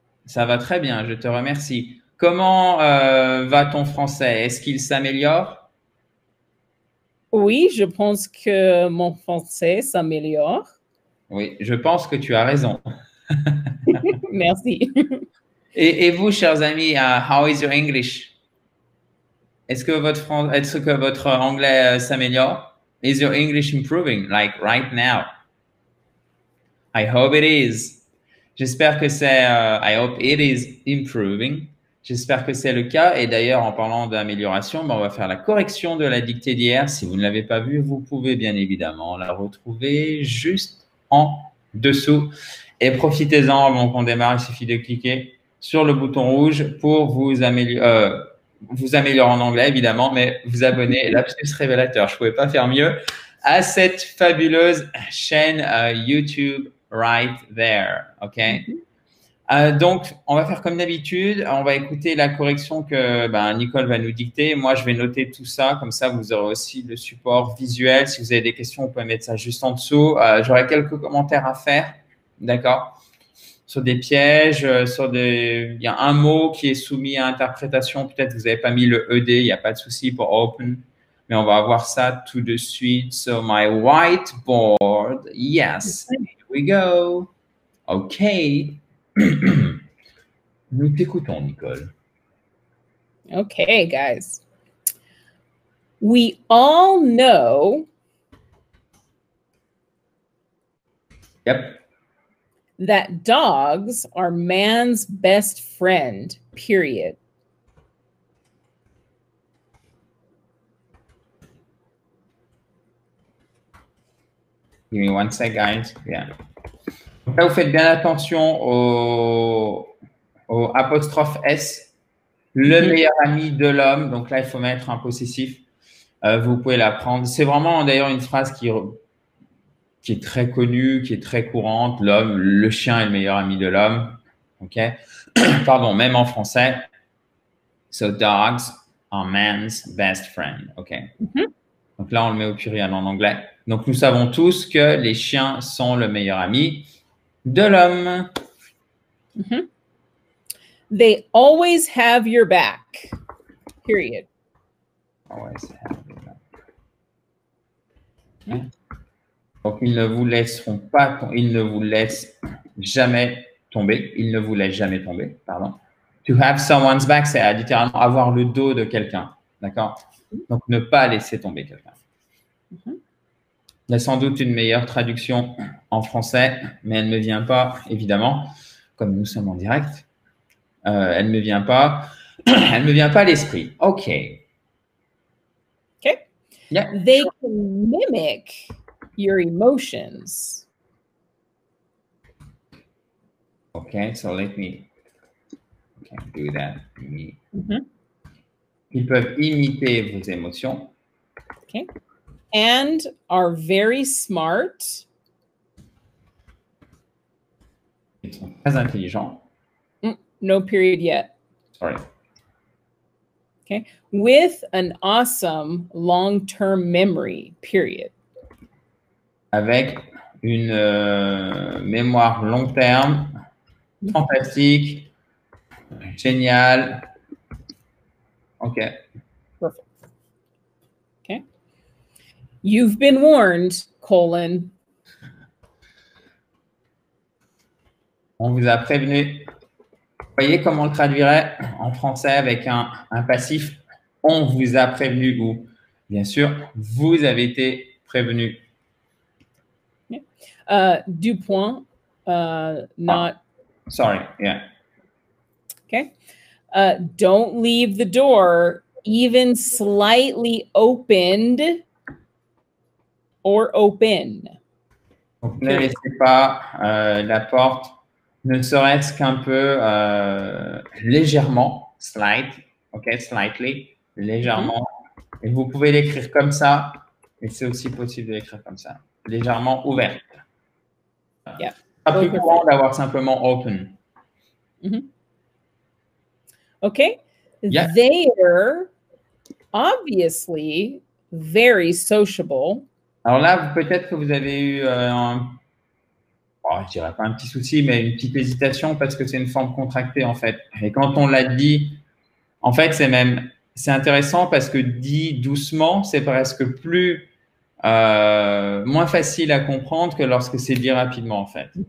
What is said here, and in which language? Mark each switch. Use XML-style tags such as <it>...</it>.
<fr>Ça va très bien, je te remercie. Comment va ton français? Est-ce qu'il s'améliore? Oui, je pense que mon français s'améliore. Oui, je pense que tu as raison. Merci. Et vous, chers amis,</fr> <en>how is your English?</en> <fr>Est-ce que votre anglais s'améliore?</fr> <en>Is your English improving, like right now? I hope it is.</en> <fr>J'espère que c'est,</fr> <en>I hope it is improving.</en> <fr>J'espère que c'est le cas. Et d'ailleurs, en parlant d'amélioration, on va faire la correction de la dictée d'hier. Si vous ne l'avez pas vue, vous pouvez bien évidemment la retrouver juste en dessous. Et profitez-en avant qu'on démarre. Il suffit de cliquer sur le bouton rouge pour vous améliorer en anglais, évidemment, mais vous abonner, lapsus révélateur. Je ne pouvais pas faire mieux à cette fabuleuse chaîne YouTube</fr> <en>right there.</en> <fr>OK? Donc, on va faire comme d'habitude. On va écouter la correction que Nicole va nous dicter. Moi, je vais noter tout ça. Comme ça, vous aurez aussi le support visuel. Si vous avez des questions, vous pouvez mettre ça juste en dessous. J'aurai quelques commentaires à faire. D'accord? Sur des pièges, il y a un mot qui est soumis à interprétation. Peut-être que vous n'avez pas mis le ED, il n'y a pas de souci pour open. Mais on va avoir ça tout de suite.</fr> <en>So, my whiteboard, yes, here we go. OK.</en> <fr>Nous t'écoutons, Nicole.</fr> <en>OK, guys. We all know. Yep. That dogs are man's best friend, period. Give me one sec, guys.</en> <fr>Yeah. Là, vous faites bien attention au apostrophe S, le meilleur ami de l'homme. Donc là, il faut mettre un possessif. Vous pouvez l'apprendre. C'est vraiment d'ailleurs une phrase qui est très connue, qui est très courante, l'homme, le chien est le meilleur ami de l'homme, ok? Pardon, même en français.</fr> <en>So, dogs are man's best friend, ok? Mm-hmm.</en> <fr>Donc là, on le met au pluriel en anglais. Donc, nous savons tous que les chiens sont le meilleur ami de l'homme. Mm-hmm.</fr> <en>They always have your back, period. Always have your back. Mm-hmm.</en> <fr>Donc, ils ne vous laisseront pas, ils ne vous laissent jamais tomber. Ils ne vous laissent jamais tomber, pardon.</fr> <en>To have someone's back,</en> <fr>c'est littéralement avoir le dos de quelqu'un, d'accord? Donc, ne pas laisser tomber quelqu'un. Mm-hmm. Il y a sans doute une meilleure traduction en français, mais elle ne me vient pas, évidemment, comme nous sommes en direct. Elle ne me vient pas, elle ne me vient pas à l'esprit.</fr> <en>OK. OK. Yeah. They can mimic your emotions. Okay, so let me do that. Mm-hmm.</en> <fr>Ils peuvent imiter vos émotions.</fr> <en>Okay. And are very smart.</en> <fr>Ils sont très intelligents.</fr> <en>No period yet. Sorry. Okay. With an awesome long-term memory, period.</en> <fr>Avec une mémoire long terme, fantastique, génial.</fr> <en>OK. Perfect. OK. You've been warned, colon.</en> <fr>On vous a prévenu. Voyez comment on le traduirait en français avec un passif. On vous a prévenu ou, bien sûr, vous avez été prévenu.</fr> <en>Dupont, not. Oh, sorry, yeah. Okay. Don't leave the door even slightly opened or open.</en> <fr>Donc, ne laissez pas la porte, ne serait-ce qu'un peu légèrement, slight, okay, slightly, légèrement. Et vous pouvez l'écrire comme ça, et c'est aussi possible de l'écrire comme ça, légèrement ouvert.</fr> <en>Yeah.</en> <fr>Pas plus courant d'avoir simplement open.</fr> <en>Mm-hmm. Okay. Yeah. They're obviously very sociable.</en> <fr>Alors là, peut-être que vous avez eu je dirais pas un petit souci, mais une petite hésitation parce que c'est une forme contractée en fait. Et quand on l'a dit, en fait, c'est intéressant parce que dit doucement, c'est presque plus moins facile à comprendre que lorsque c'est dit rapidement en fait.</fr>